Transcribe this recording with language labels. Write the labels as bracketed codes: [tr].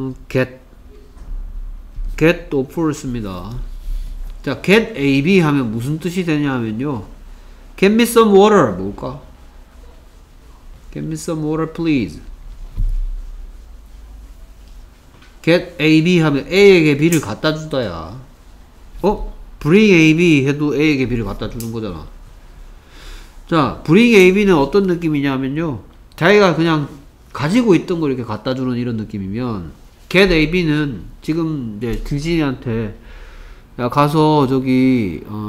[ko] get offer 씁니다. 자, get a b 하면 무슨 뜻이 되냐면요. [en] get me some water [ko] 뭘까? [en] get me some water please. [ko] get a b 하면 a에게 b를 갖다 주다야. 어? bring a b 해도 a에게 b를 갖다 주는 거잖아. 자 bring a b 는 어떤 느낌이냐면요 자기가 그냥 가지고 있던 걸 이렇게 갖다 주는 이런 느낌이면 get AB는 지금 이제 규진이한테 야 가서 저기